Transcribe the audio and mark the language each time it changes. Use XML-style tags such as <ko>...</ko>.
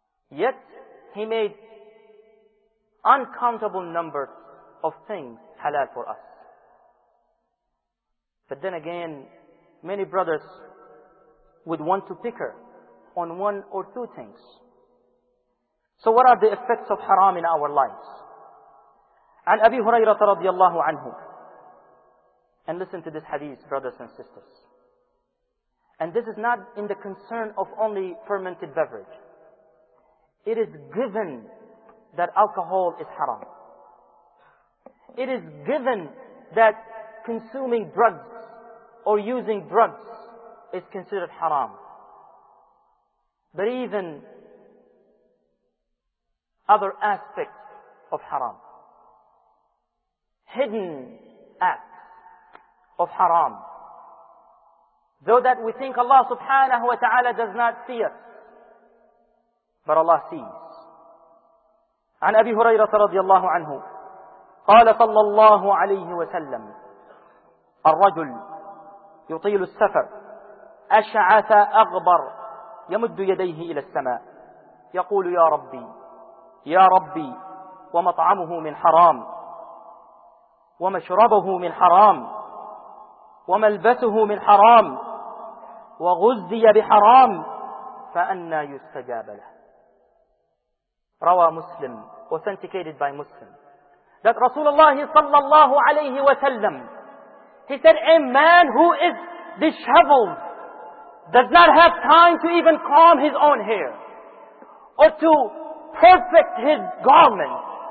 <en>Yet He made uncountable numbers of things halal for us. But then again, many brothers would want to picker on one or two things. So what are the effects of haram in our lives?</en> <ar>عن أبي هريرة رضي الله عنه.</ar> <en>And listen to this hadith, brothers and sisters. And this is not in the concern of only fermented beverage. It is given that alcohol is haram. It is given that consuming drugs or using drugs is considered haram. But even other aspects of haram, hidden acts of haram, though that we think Allah subhanahu wa ta'ala does not see us, but Allah sees.</en> <ar>عن أبي هريرة رضي الله عنه قال صلى الله عليه وسلم الرجل يطيل السفر أشعث أغبر يمد يديه إلى السماء يقول يا ربي يا ربي ومطعمه من حرام ومشربه من حرام وملبسه من حرام وغذي بحرام فأنى يستجاب له.</ar> <en>Rawa Muslim, authenticated by Muslim, that Rasulullah sallallahu alayhi wa sallam, he said, a man who is disheveled does not have time to even comb his own hair or to perfect his garment.</en>